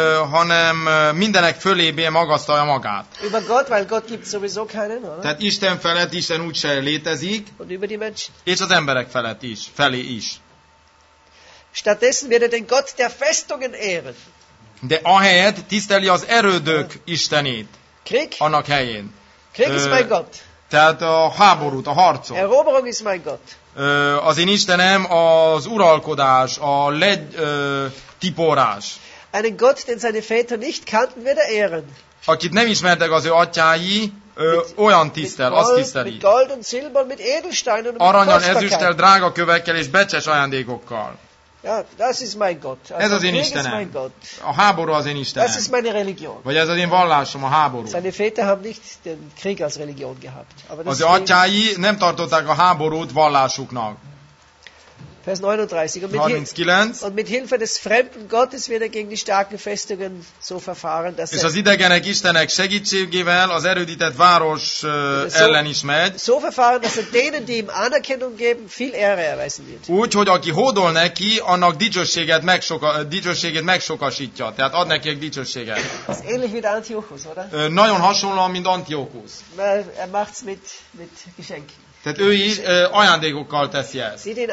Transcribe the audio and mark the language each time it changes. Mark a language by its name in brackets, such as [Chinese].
[Hungarian] Hanem mindenek fölébe magasztalja magát. [German] Über Gott, weil Gott gibt sowieso keinen, oder? [Hungarian] Tehát Isten felett, Isten úgyse létezik. [German] Und über die Menschen. [Hungarian] És az emberek felett is, felé is. [German] Stattdessen wird er den Gott der Festungen ehren. [Hungarian] De ahelyett tiszteli az erődök Istenét. [German] Krieg? [Hungarian] Annak helyén. [German] Krieg ist mein Gott. [Hungarian] Tehát a háborút, a harcot. [German] Eroberung ist mein Gott. [Hungarian] Az én Istenem az uralkodás, a tiporás. [German] Einen Gott, den seine Väter nicht kannten, wird er ehren. [Hungarian] Akit nem ismertek az ő atyái, olyan tisztel, azt tiszteli. [German] Mit Gold und Silber, mit Edelsteinen und [Hungarian] aranyan, ezüsttel, drága kövekkel és becses ajándékokkal. [German] Ja, das ist mein Gott. [Hungarian] Ez az én Istenem. A háború az én Istenem. [German] Das ist meine Religion. [Hungarian] Vagy ez az én vallásom, a háború. [German] Seine Väter haben nicht den Krieg als Religion gehabt. Aber [Hungarian] az ő atyái nem tartották a háborút vallásuknak. [German] Vers 39. Und mit Hilfe des fremden Gottes wird er gegen die starken Festungen so verfahren, dass er. [Hungarian] És az idegenek Istenek segítségével az erődített város ellen is megy. [German] So verfahren, dass er denen, die ihm Anerkennung geben, viel Ehre erweisen wird. [Hungarian] Úgy, hogy aki hódol neki, annak dicsőséget megsokasítja. Tehát ad neki egy dicsőséget. Ez [German] ähnlich mit Antiochus, oder? [Hungarian] Nagyon hasonlóan, mint Antiochus. [German] Er macht's mit Geschenken. [Hungarian] Tehát ő is ajándékokkal teszi ezt.